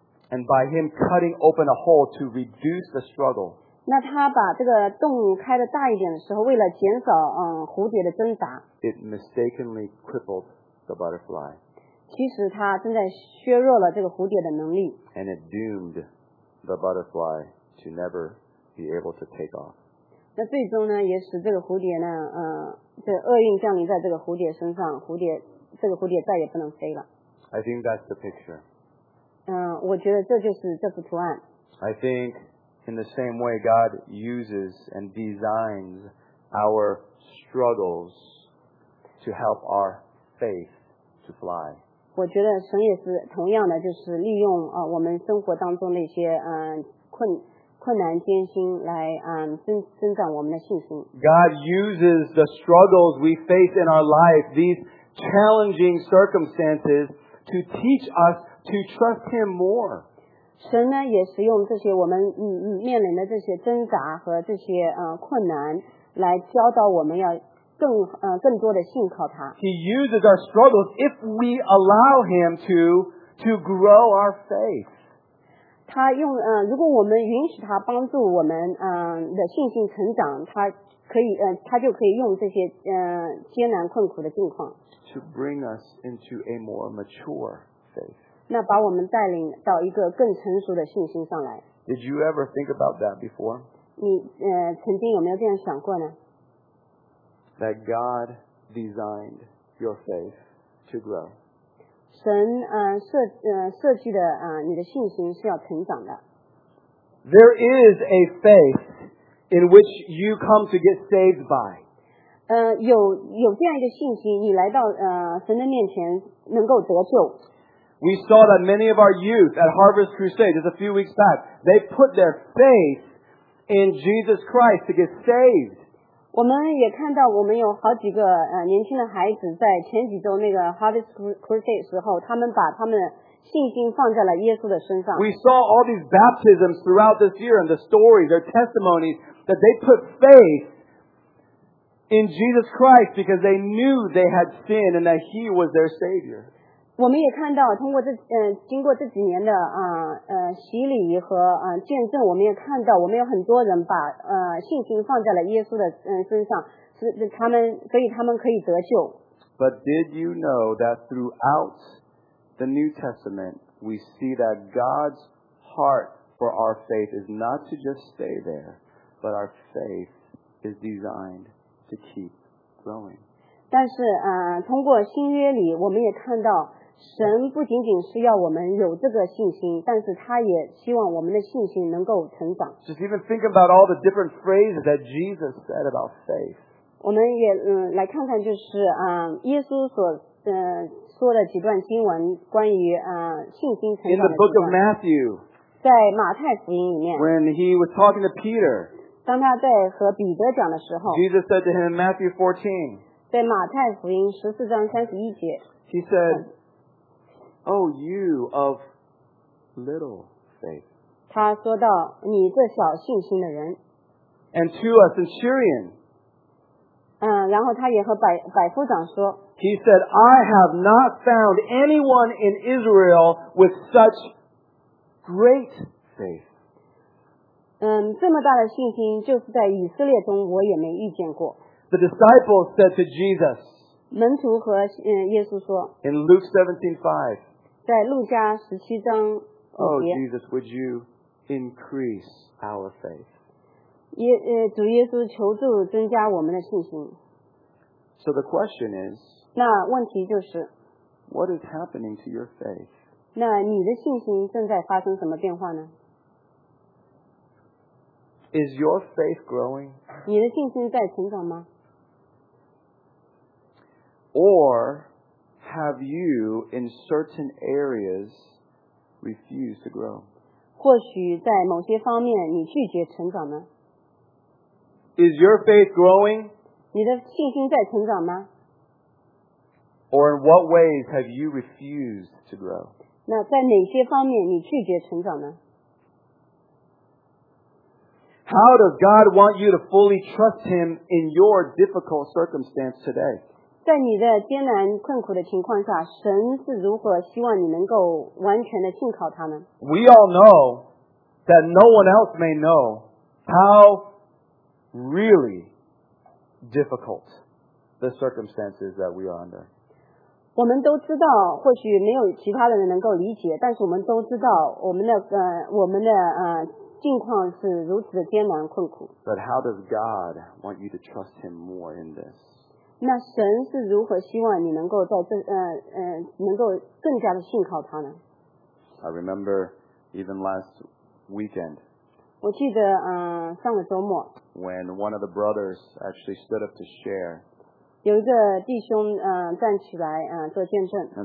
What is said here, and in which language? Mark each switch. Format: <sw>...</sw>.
<en>And by him cutting open a hole to reduce the struggle.</en> <zh>那他把这个洞开的大一点的时候，为了减少蝴蝶的挣扎。</zh> <en>It mistakenly crippled the butterfly.</en> <zh>其实他正在削弱了这个蝴蝶的能力。</zh> <en>And it doomed the butterfly to never be able to take off.</en> <zh>那最终呢，也使这个蝴蝶呢，这厄运降临在这个蝴蝶身上，这个蝴蝶再也不能飞了。</zh> <en>I think that's the picture.</en> <zh>我觉得这就是这幅图案。</zh> <en>I think in the same way God uses and designs our struggles to help our faith to fly.</en> <zh>我觉得神也是同样的，就是利用我们生活当中那些困难艰辛来增长我们的信心。</zh> <en>God uses the struggles we face in our life, these challenging circumstances, to teach us. To trust him more.</en> <zh>神呢也使用这些我们面临的这些挣扎和这些困难来教导我们要更多的信靠他。</zh> <en>He uses our struggles if we allow him to grow our faith.</en> <zh>他用如果我们允许他帮助我们的信心成长，他可以他就可以用这些艰难困苦的境况。</zh> <en>To bring us into a more mature faith.</en> <zh>那把我们带领到一个更成熟的信心上来。</zh> <en>Did you ever think about that before?</en> <zh>你曾经有没有这样想过呢？</zh> <en>That God designed your faith to grow.</en> <zh>神设计的你的信心是要成长的。</zh> <en>There is a faith in which you come to get saved by.</en> <zh>有这样一个信心，你来到神的面前能够得救。</zh> <en>We saw that many of our youth at Harvest Crusade just a few weeks back, they put their faith in Jesus Christ to get saved.</en> <zh>我们也看到我们有好几个年轻的孩子在前几周那个 Harvest Crusade 时候，他们把他们信心放在了耶稣的身上。</zh> <en>We saw all these baptisms throughout this year and the stories, their testimonies, that they put faith in Jesus Christ because they knew they had sinned and that he was their Savior.</en> <zh>我们也看到通过经过这几年的洗礼和见证，我们也看到我们有很多人把信心放在了耶稣的身上，所以他们可以得救。</zh> <en>But did you know that throughout the New Testament, we see that God's heart for our faith is not to just stay there, but our faith is designed to keep growing.</en> <zh>但是通过新约里我们也看到神不仅仅是要我们有这个信心，但是他也希望我们的信心能够成长。</zh> <en>Just even think about all the different phrases that Jesus said about faith.</en> <zh>我们也来看看就是耶稣所说的几段经文关于信心成长。</zh> <en>In the book of Matthew.</en> <zh>在马太福音里面。</zh> <en>When he was talking to Peter.</en> <zh>当他在和彼得讲的时候。</zh> <en>Jesus said to him in Matthew 14.</en> <zh>在马太福音14章31节。</zh> <en>He said,Oh, you of little faith.</en> <zh>他说到你这小信心的人。</zh> <en>And to a centurion.</en> <zh>然后他也和百夫长说。</zh> <en>He said, I have not found anyone in Israel with such great faith.</en> <zh>这么大的信心就是在以色列中我也没遇见过。</zh> <en>The disciples said to Jesus.</en> <zh>门徒和耶稣说。</zh> <en>In Luke 17:5.</en> <zh>在路加十七章</zh> <en>，Oh Jesus, would you increase our faith?</en> <zh>主耶稣求助增加我们的信心。</zh> <en>So the question is,</en> <zh>那问题就是</zh> <en>，What is happening to your faith?</en> <zh>那你的信心正在发生什么变化呢</zh> <en>？Is your faith growing?</en> <zh>你的信心在成长吗</zh> <en>？Or Have you in certain areas refused to grow?</en> <zh>或许在某些方面你拒绝成长呢？</zh> <en>Is your faith growing?</en> <zh>你的信心在成长吗？</zh> <en>Or in what ways have you refused to grow?</en> <zh>那在哪些方面你拒绝成长呢？</zh> <en>How does God want you to fully trust Him in your difficult circumstance today?</en> <zh>在你的艰难困苦的情况下，神是如何希望你能够完全的信靠他呢？</zh> <en>We all know that no one else may know how really difficult the circumstances that we are under.</en> <zh>我们都知道，或许没有其他的人能够理解，但是我们都知道我们的境况是如此的艰难困苦。</zh> <en>But how does God want you to trust Him more in this?</en> <zh>那神是如何希望你能够在这能够更加的信靠他呢？</zh> <en>I remember even last weekend.</en> <zh>我记得上个周末。</zh> <en>When one of the brothers actually stood up to share.</en> <zh>有一个弟兄站起来做见证。</zh>